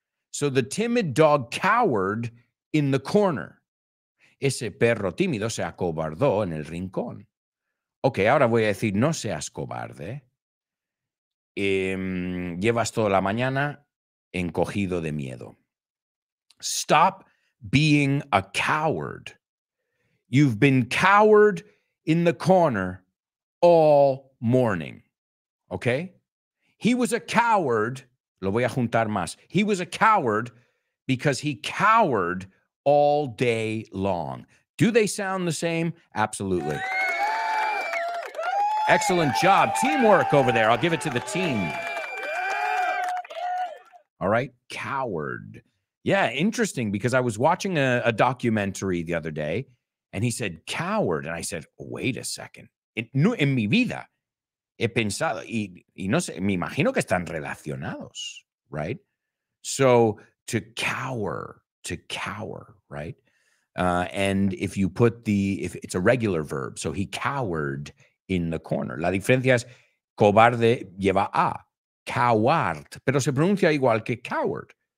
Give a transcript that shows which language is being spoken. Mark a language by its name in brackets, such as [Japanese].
[English] So the timid dog cowered in the corner. [Spanish] Ese perro tímido se acobardó en el rincón. Okay, ahora voy a decir, no seas cobarde. Llevas toda la mañana encogido de miedo. [English] Stop being a coward. You've been cowered in the corner all morning. Okay? He was a coward. [Spanish] Lo voy a juntar más. [English] He was a coward because he cowered all day long. Do they sound the same? Absolutely. Excellent job. Teamwork over there. I'll give it to the team. All right. Coward. Yeah, interesting, because I was watching a documentary the other day, and he said, coward. And I said, wait a second. [Spanish] En mi vida he pensado, y no sé, me imagino que están relacionados, right? [English] So to cower, right? And if you put if it's a regular verb, so he cowered in the corner. [Spanish] La diferencia es cobarde lleva a, coward, pero se pronuncia igual que coward.